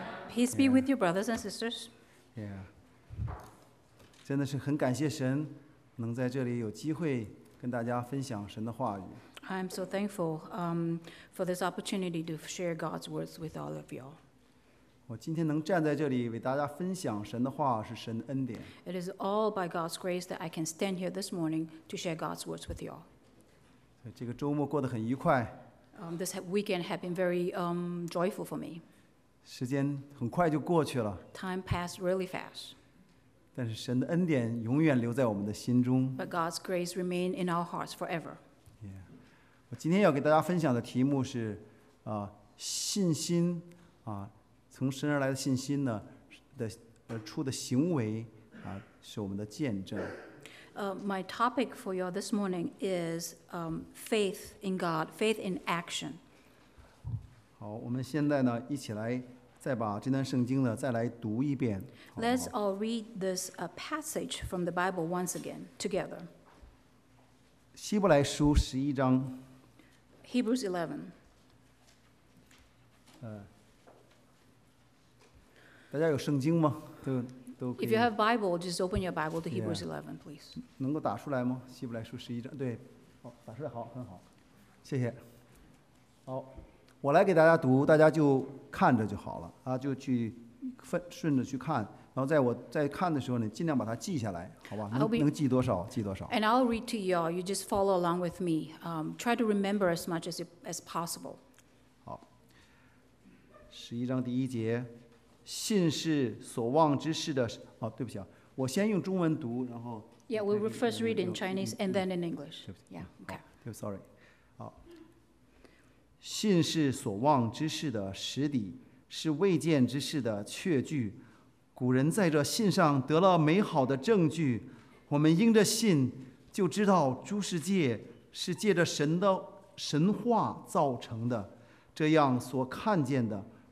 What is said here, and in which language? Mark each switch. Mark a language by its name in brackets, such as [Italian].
[English] Peace be with your brothers and sisters. Yeah. [Chinese] 真的是很感谢神，能在这里有机会跟大家分享神的话语。 [English] I'm so thankful for this opportunity to share God's words with all of you. [Chinese] 我今天能站在这里为大家分享神的话，是神的恩典。 [English] It is all by God's grace that I can stand here this morning to share God's words with you all. [Chinese] 这个周末过得很愉快。 [English] This weekend had been very joyful for me. [Chinese] 时间很快就过去了。 [English] Time passed really fast. [Chinese] 但是神的恩典永远留在我们的心中。 [English] But God's grace remained in our hearts forever. Yeah. [Chinese] 我今天要给大家分享的题目是，信心，从神而来的信心呢，出的行为，是我们的见证。 [English] My topic for you this morning is faith in God, faith in action. [Chinese] 好，我们现在呢，一起来再把这段圣经呢，再来读一遍。 [English] Let's all read this passage from the Bible once again together. [Chinese] 希伯来书十一章。 [English] Hebrews 11. [Chinese] 大家有圣经吗？对。 [English] If you have Bible, just open your Bible to Hebrews 11, please. [Chinese] 能够打出来吗？希伯来书十一章，对，打出来，好，很好，谢谢。好，我来给大家读，大家就看着就好了，就去顺着去看，然后在我在看的时候呢，尽量把它记下来，好吧？能记多少记多少。 [English] And I'll read to you all. You just follow along with me. Try to remember as much as possible. [Chinese] 好，十一章第一节。信是所望之事的，对不起，我先用中文读，然后。 [English] Yeah, we will first read in Chinese and then in English. Yeah, okay. Sorry. [Chinese] 好，信是所望之事的实底，是未见之事的确据。古人在这信上得了美好的证据，我们因着信就知道诸世界是借着神的神话造成的，这样所看见的。